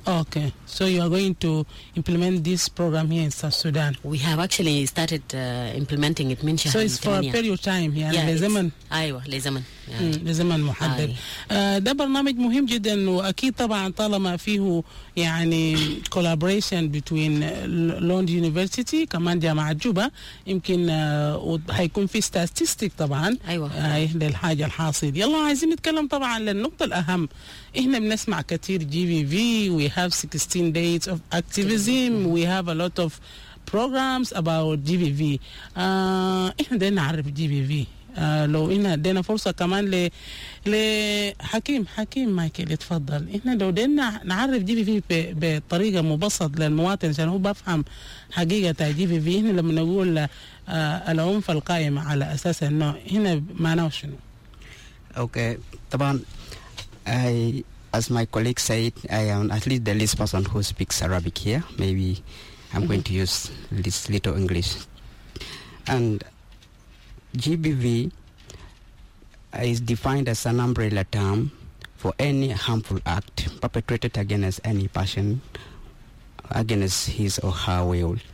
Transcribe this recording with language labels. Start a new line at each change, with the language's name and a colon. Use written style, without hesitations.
English: Okay, so you are going to implement this program here in South Sudan. We have actually started implementing it. So it's for a period of time, yeah.
Arabic: لزمن. أيوة لزمن. لزمن محدد. ده برنامج مهم جدا وأكيد طبعا طالما فيه يعني
English: collaboration between
Arabic: Lund University كمان جامعة جوبا يمكن هيكون في statistics طبعا. أيوة. للحاجة الحاصل. يلا عايزين نتكلم طبعا للنقطة الأهم. إحنا بنسمع كتير
English: GVV, we have 16 days of activism, we have a lot of programs about GVV.
Arabic: إحنا دينا عارف GVV, لو إحنا دينا فرصة كمان لحكيم مايكل يتفضل, إحنا لو دينا نعرف GVV بطريقة مبسط للمواطن عشان هو بفهم حقيقة GVV, إحنا لما نقول العنف القائم على أساس النوع إحنا معناه شنو؟ أوكي, طبعا
English: I, as my colleague said, I am at least the least person who speaks Arabic here. Maybe I'm mm-hmm. going to use this little English. And GBV is defined as an umbrella term for any harmful act perpetrated against any person, against his or her will.